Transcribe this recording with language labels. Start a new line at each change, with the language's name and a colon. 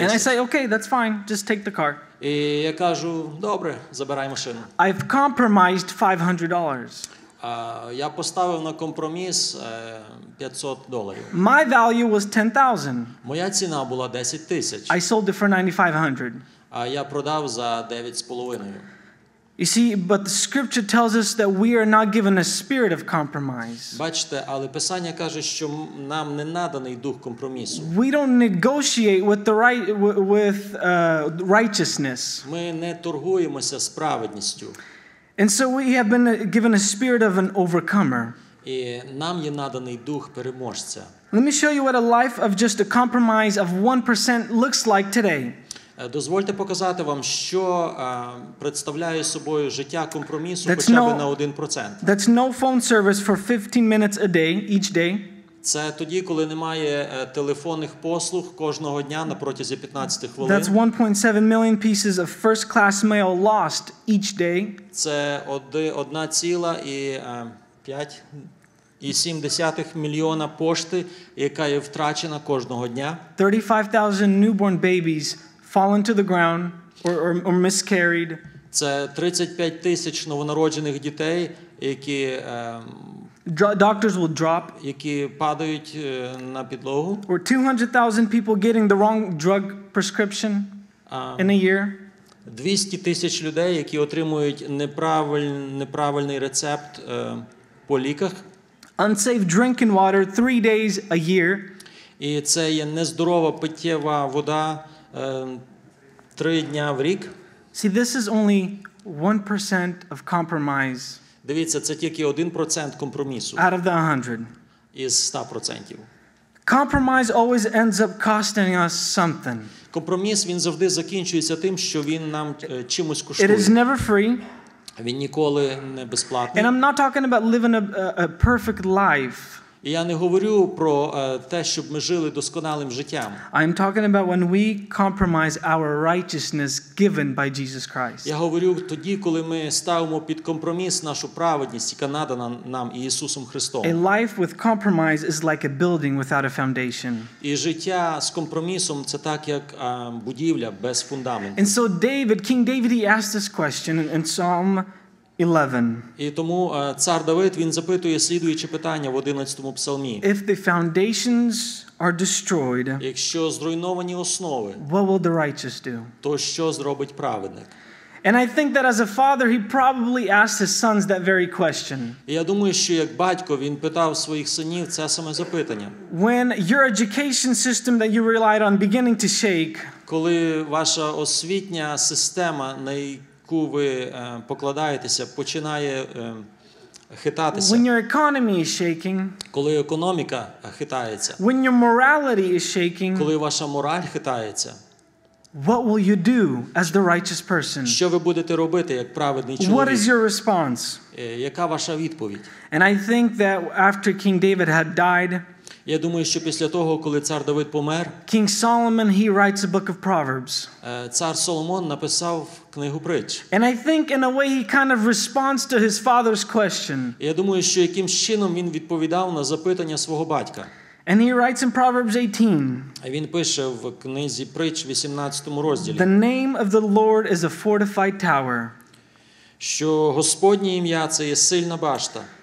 English: And I say, okay, that's fine, just take the car.
Ukrainian: І я кажу, добре, забирай машину.
English: I've compromised $500.
Ukrainian: Я поставив на компроміс $500.
English: My value was 10,000.
Ukrainian: Моя ціна була 10 тисяч.
English: I sold it for 9,500.
Ukrainian: А я продав за 9,5.
English: You see, but the scripture tells us that we are not given a spirit of compromise.
Ukrainian: Бачите, але Писання каже, що нам не наданий дух компромісу.
English: We don't negotiate with the righteousness.
Ukrainian: Ми не торгуємося справедністю.
English: And so we have been given a spirit of an overcomer.
Ukrainian: І нам є наданий дух переможця.
English: Let me show you what a life of just a compromise of 1% looks like today.
Ukrainian: Дозвольте показати вам, що представляє собою життя компромісу хоча б на 1%.
English: That's no phone service for 15 minutes a day, each day.
Ukrainian: Це тоді, коли немає телефонних послуг кожного дня на протязі 15 хвилин.
English: That's 1.7 million pieces of first class mail lost each day.
Ukrainian: Це 1.5 і 7 десятих мільйона пошти, яка є втрачена кожного дня.
English: 35,000 newborn babies fallen to the ground or miscarried.
Ukrainian: Це 35 тисяч новонароджених дітей, які
English: doctors will drop,
Ukrainian: які падають на підлогу.
English: Or 200,000 people getting the wrong drug prescription in a year.
Ukrainian: 200 тисяч людей, які отримують неправильний рецепт по ліках.
English: Unsafe drinking water 3 days a year.
Ukrainian: І це є нездорова питєва вода 3 дня в рік.
English: See, this is only 1% of compromise.
Ukrainian: Дивіться, це тільки 1% компромісу.
English: Out of the 100.
Ukrainian: Із 100%.
English: Compromise always ends up costing us something.
Ukrainian: Компроміс, він завжди закінчується тим, що він нам чимось коштує.
English: It is never free.
Ukrainian: Він ніколи не безплатний.
English: And I'm not talking about living a perfect life.
Ukrainian: І я не говорю про те, щоб ми жили досконалим життям.
English: I'm talking about when we compromise our righteousness given by Jesus Christ.
Ukrainian: Я говорю тоді, коли ми ставимо під компроміс нашу праведність, яка надана нам Ісусом Христом.
English: A life with compromise is like a building without a foundation.
Ukrainian: І життя з компромісом це так як будівля без фундаменту.
English: And so David, King David, he asked this question in Psalm 11.
Ukrainian: І тому цар Давид, він запитує слідуюче питання в 11-му псалмі.
English: If the foundations are destroyed,
Ukrainian: якщо зруйновані основи,
English: what will the righteous do?
Ukrainian: То що зробить праведник?
English: And I think that as a father, he probably asked his sons that very question.
Ukrainian: Я думаю, що як батько, він питав своїх синів це саме запитання.
English: When your education system that you relied on beginning to shake,
Ukrainian: коли ваша освітня система, на яку ви покладаєтеся, починає хитатися.
English: When your economy is shaking,
Ukrainian: коли економіка хитається.
English: When your morality is shaking,
Ukrainian: коли ваша мораль хитається.
English: What will you do as the righteous person?
Ukrainian: Що ви будете робити як праведний чоловік?
English: What is your response?
Ukrainian: Яка ваша відповідь?
English: And I think that after King David had died,
Ukrainian: я думаю, що після того, коли цар Давид помер,
English: King Solomon, he writes a book of Proverbs.
Ukrainian: Цар Соломон написав книгу притч.
English: And I think in a way he kind of responds to his father's question.
Ukrainian: Я думаю, що якимсь чином він відповідав на запитання свого батька.
English: And he writes in Proverbs 18.
Ukrainian: А він пише в книзі притч 18-му розділі.
English: The name of the Lord is a fortified tower.
Ukrainian: Що Господнє ім'я це є сильна башта.